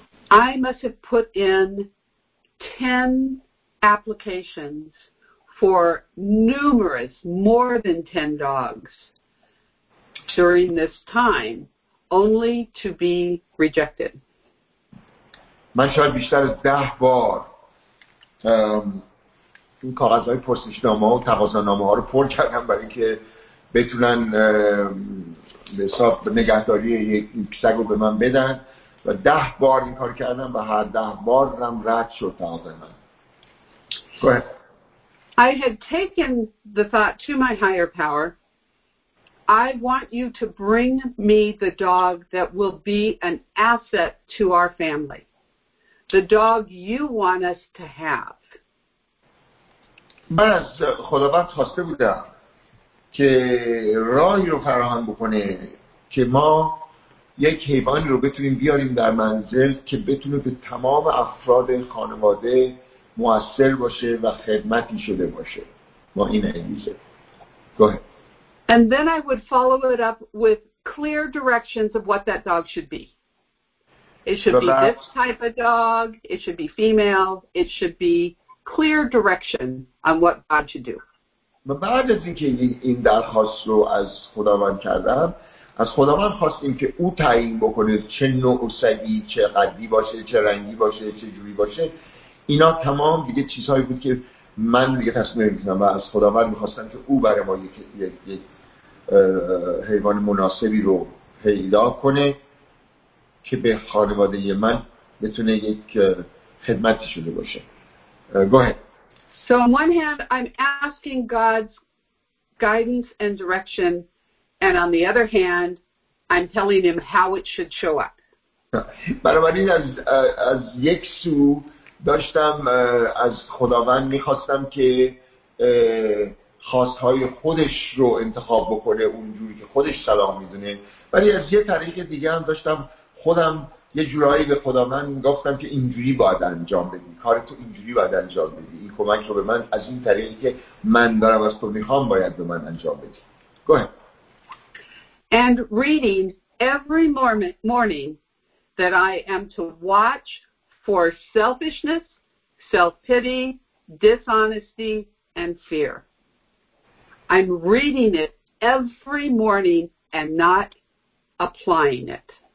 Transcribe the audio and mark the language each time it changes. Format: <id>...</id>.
<en>I must have put in 10 applications for numerous, more than 10 dogs during this time, only to be rejected.</en> <fa>من شاید بیشتر از 10 بار این کاغذهای پرسشنامه ها و تقاضانامه ها رو پر کردم برای اینکه بتونن به حساب نگهداری یک سگ رو به من بدن و 10 بار این کار کردم و هر 10 بار هم رد شد تقاضای من.</fa> <en>Go ahead. I had taken the thought to my higher power. I want you to bring me the dog that will be an asset to our family. The dog you want us to have.</en> <fa>من از خداوند خواسته بودم که راهی رو فراهم بکنه که ما یک حیوانی رو بتونیم بیاریم در منزل که بتونه به تمام افراد خانواده مؤثر باشه و خدمتی شده باشه. ما این انگیزه.</fa> <en>Go ahead. And then I would follow it up with clear directions of what that dog should be. It should be this type of dog, it should be female, it should be clear direction on what God should do.</en> <fa>و بعد از اینکه این درخواست رو از خداوند کردم، از خداوند خواستیم که او تعیین بکنه چه نوع سگی، چه قدی باشه، چه رنگی باشه، چه جوری باشه. اینا تمام دیگه چیزهایی بود که من دیگه تصمیم نمی‌گیرم و از خداوند می‌خواستم که او برای ما یک حیوان مناسبی رو پیدا کنه که به خانواده من بتونه یک خدمتی شده باشه.</fa> <en>Go ahead. So on one hand I'm asking God's guidance and direction, and on the other hand I'm telling him how it should show up.</en> <fa>بنابراین از یک سو داشتم از خداوند میخواستم که خواستهای خودش رو انتخاب بکنه اونجوری که خودش سلام میدونه. ولی از یه طریق دیگه هم داشتم خودم یه جورایی به خدا من گفتم که اینجوری باید انجام بدی، کار تو اینجوری باید انجام بدی، این کمک رو به من از این طریقی که من دارم از تو میخوام باید به من انجام بدی.</fa> <en>Go ahead. And reading every morning that I am to watch for selfishness, self-pity, dishonesty, and fear. I'm reading it every morning and not applying it.</en>